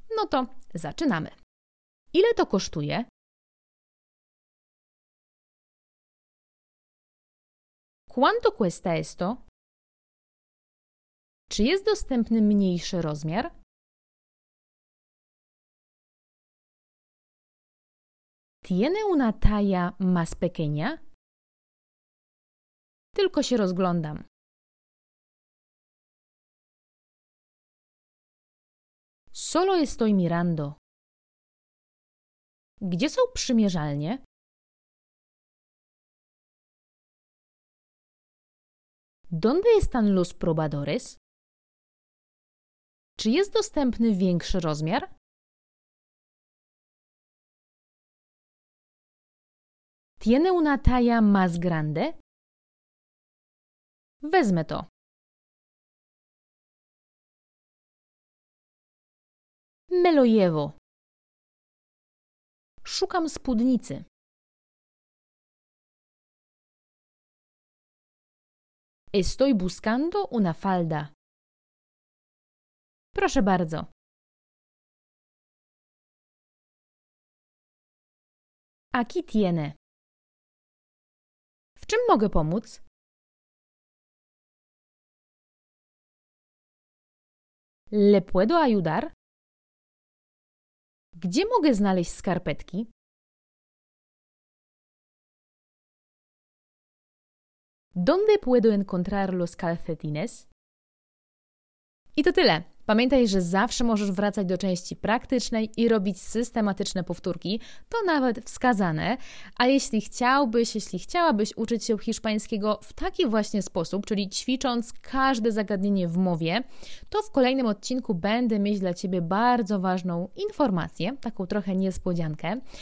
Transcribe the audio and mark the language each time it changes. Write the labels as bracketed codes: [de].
[pl] No to zaczynamy. Ile to kosztuje? [es] ¿Cuánto cuesta esto? [pl] Czy jest dostępny mniejszy rozmiar? [es] ¿Tiene una talla más pequeña? [pl] Tylko się rozglądam. [es] Solo estoy mirando. [pl] Gdzie są przymierzalnie? [es] ¿Dónde están los probadores? [pl] Czy jest dostępny większy rozmiar? [es] ¿Tiene una talla más grande? [pl] Wezmę to. [es] Me lo llevo. [pl] Szukam spódnicy. [es] Estoy buscando una falda. [pl] Proszę bardzo. [es] Aquí tiene. [pl] W czym mogę pomóc? [es] ¿Le puedo ayudar? [pl] Gdzie mogę znaleźć skarpetki? [es] ¿Dónde puedo encontrar los calcetines? [pl] I to tyle. Pamiętaj, że zawsze możesz wracać do części praktycznej i robić systematyczne powtórki, to nawet wskazane. A jeśli chciałabyś uczyć się hiszpańskiego w taki właśnie sposób, czyli ćwicząc każde zagadnienie w mowie, to w kolejnym odcinku będę mieć dla Ciebie bardzo ważną informację, taką trochę niespodziankę.